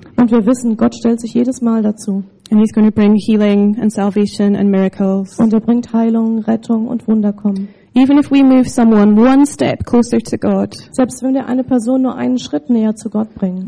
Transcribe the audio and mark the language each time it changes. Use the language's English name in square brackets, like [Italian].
[German] Und wir wissen, Gott stellt sich jedes Mal dazu. [English] And he's going to bring healing and salvation and miracles. [German] Und bringt Heilung, Rettung und Wunder kommen. [English] Even if we move someone one step closer to God. [German] Selbst wenn wir eine Person nur einen Schritt näher zu Gott bringen.